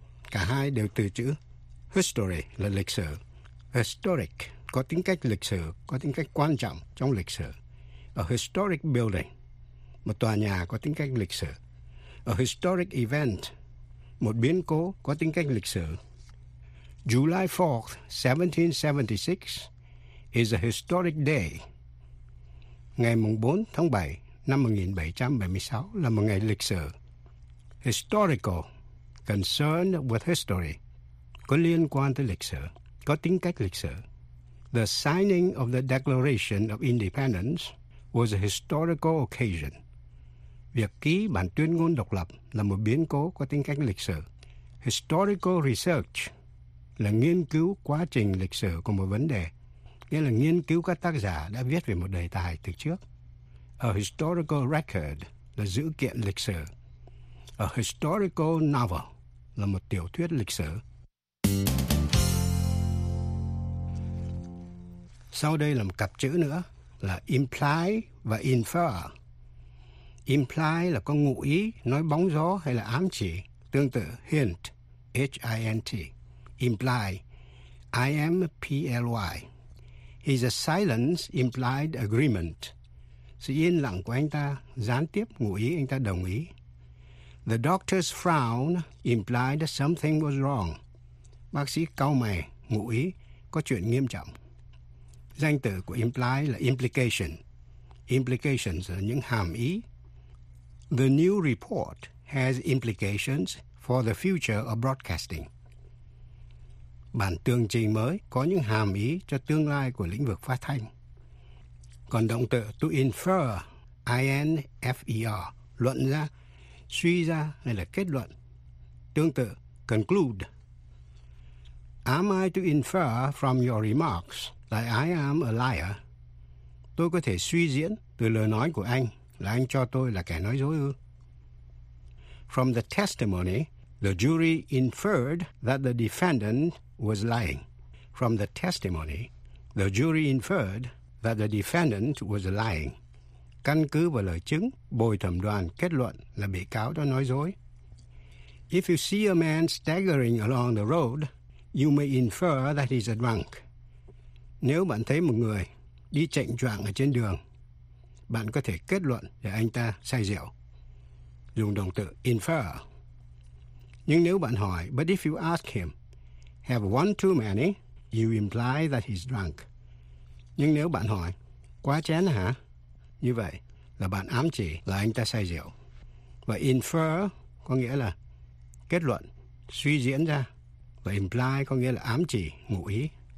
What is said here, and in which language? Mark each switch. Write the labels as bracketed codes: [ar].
[vi] Cả hai đều từ chữ history là lịch sử. Historic có tính cách lịch sử, có tính cách quan trọng trong lịch sử. [en] A historic building, [vi] một tòa nhà có tính cách lịch sử. [en] A historic event, [vi] một biến cố có tính cách lịch sử. [en] July 4th, 1776 is a historic day. [vi] Ngày 4 tháng 7 năm 1776 là một ngày lịch sử. Historical, [en] concerned with history, [vi] có liên quan tới lịch sử, có tính cách lịch sử. [en] The signing of the Declaration of Independence was a historical occasion. [vi] Việc ký bản tuyên ngôn độc lập là một biến cố có tính cách lịch sử. Historical research là nghiên cứu quá trình lịch sử của một vấn đề, nghĩa là nghiên cứu các tác giả đã viết về một đề tài từ trước. A historical record là dữ kiện lịch sử. A historical novel là một tiểu thuyết lịch sử. Sau đây là một cặp chữ nữa là imply và infer. Imply là có ngụ ý, nói bóng gió hay là ám chỉ, tương tự hint, H-I-N-T. [en] Imply, I-M-P-L-Y. His silence implied agreement. [vi] Sự yên lặng của anh ta gián tiếp ngụ ý anh ta đồng ý. [en] The doctor's frown implied something was wrong. [vi] Bác sĩ cau mày ngụ ý có chuyện nghiêm trọng. Danh từ của imply là implication. Implications là những hàm ý. [en] The new report has implications for the future of broadcasting. [vi] Bản tường trình mới có những hàm ý cho tương lai của lĩnh vực phát thanh. Còn động từ to infer, I-N-F-E-R, luận ra, suy ra hay là kết luận. Tương tự, conclude. [en] Am I to infer from your remarks that I am a liar? [vi] Tôi có thể suy diễn từ lời nói của anh là anh cho tôi là kẻ nói dối ư? [en] From the testimony, the jury inferred that the defendant was lying. From the testimony, the jury inferred that the defendant was lying. [vi] Căn cứ vào lời chứng, bồi thẩm đoàn kết luận là bị cáo đã nói dối. [en] If you see a man staggering along the road, you may infer that he's a drunk. [vi] Nếu bạn thấy một người đi chệnh choạng ở trên đường, bạn có thể kết luận là anh ta say rượu. Dùng động từ infer. Nhưng nếu bạn hỏi, [en] but if you ask him, have one too many, you imply that he's drunk. [vi] Nhưng nếu bạn hỏi, quá chén hả? Như vậy là bạn ám chỉ là anh ta say rượu. Và infer có nghĩa là kết luận, suy diễn ra. Và imply có nghĩa là ám chỉ, ngụ ý.